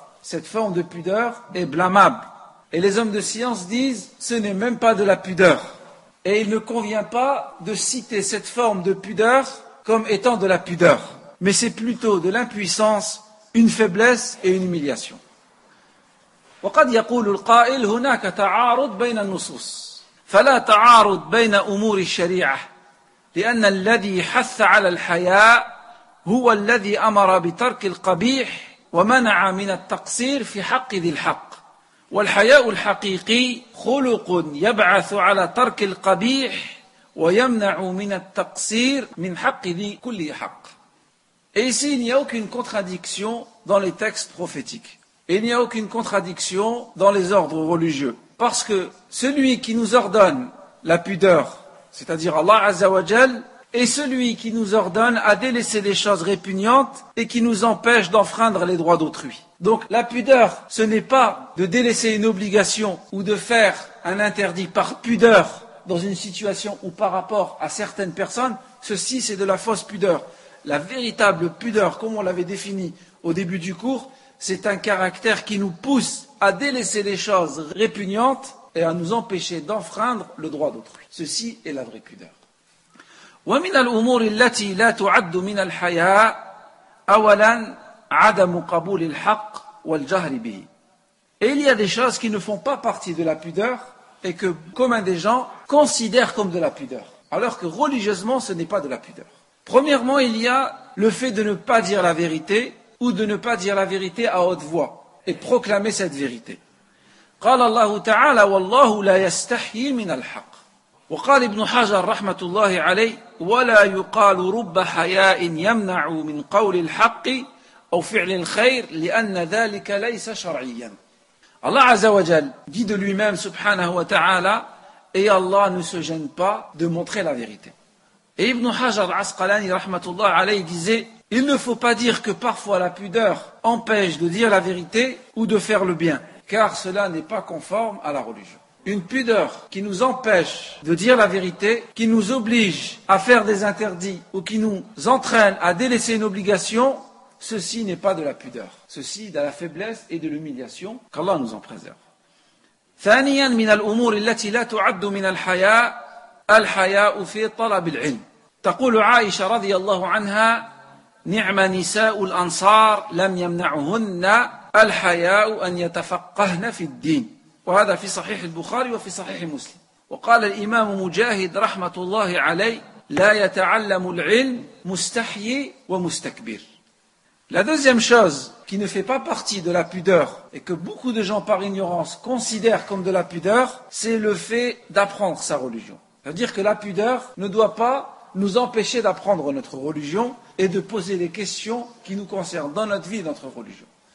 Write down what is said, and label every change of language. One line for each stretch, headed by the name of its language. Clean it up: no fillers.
French: cette forme de pudeur est blâmable. Et les hommes de science disent, ce n'est même pas de la pudeur. Et il ne convient pas de citer cette forme de pudeur comme étant de la pudeur. Mais c'est plutôt de l'impuissance, une faiblesse et une humiliation.
Arabic: وقد يقول القائل هناك تعارض بين النصوص فلا تعارض بين أمور الشريعة لأن الذي حث على الحياء هو الذي أمر بترك القبيح ومنع من التقصير في حق ذي الحق والحياء الحقيقي خلق يبعث على ترك القبيح ويمنع من التقصير من حق ذي كل حق.
French: Et ici, il n'y a aucune contradiction dans les textes prophétiques. Et il n'y a aucune contradiction dans les ordres religieux. Parce que celui qui nous ordonne la pudeur, c'est-à-dire Allah Azza wa Jal, est celui qui nous ordonne à délaisser les choses répugnantes et qui nous empêche d'enfreindre les droits d'autrui. Donc la pudeur, ce n'est pas de délaisser une obligation ou de faire un interdit par pudeur dans une situation ou par rapport à certaines personnes. Ceci, c'est de la fausse pudeur. La véritable pudeur, comme on l'avait défini au début du cours, c'est un caractère qui nous pousse à délaisser les choses répugnantes et à nous empêcher d'enfreindre le droit d'autrui. Ceci est la vraie pudeur.
Arabic: ومن الأمور التي لا تعد من الحياء أولا عدم قبول الحق والجهل به.
French: Et il y a des choses qui ne font pas partie de la pudeur et que commun des gens considèrent comme de la pudeur, alors que religieusement ce n'est pas de la pudeur. Premièrement, il y a le fait de ne pas dire la vérité ou de ne pas dire la vérité à haute voix et proclamer cette vérité.
Arabic: قال الله تعالى والله لا يستحي من الحق. وقال ابن حجر رحمة الله عليه ولا يقال رب حياء يمنع من قول الحق أو فعل الخير لأن ذلك ليس شرعيا. الله عز وجل
French: dit de lui-même
Arabic: سبحانه وتعالى
French: et Allah ne se gêne pas de montrer la vérité. Et ابن حجر عسقلاني
Arabic: رحمة الله عليه
French: disait: il ne faut pas dire que parfois la pudeur empêche de dire la vérité ou de faire le bien, car cela n'est pas conforme à la religion. Une pudeur qui nous empêche de dire la vérité, qui nous oblige à faire des interdits ou qui nous entraîne à délaisser une obligation, ceci n'est pas de la pudeur. Ceci est de la faiblesse et de l'humiliation qu'Allah nous en préserve.
Arabic: ثانياً من الأمور التي لا تعد من الحياء الحياء في طلب العلم. تقول عائشة رضي الله عنها نعم نساء الأنصار لم يمنعهن الحياء أن يتفقهن في الدين وهذا في صحيح البخاري وفي صحيح مسلم وقال الإمام مجاهد رحمة الله عليه لا يتعلم العلم مستحي ومستكبر.
French: La deuxième chose qui ne fait pas partie de la pudeur et que beaucoup de gens par ignorance considèrent comme de la pudeur, c'est le fait d'apprendre sa religion. C'est-à-dire que la pudeur ne doit pas nous empêcher d'apprendre notre religion et de poser les questions qui nous concernent dans notre vie, notre religion.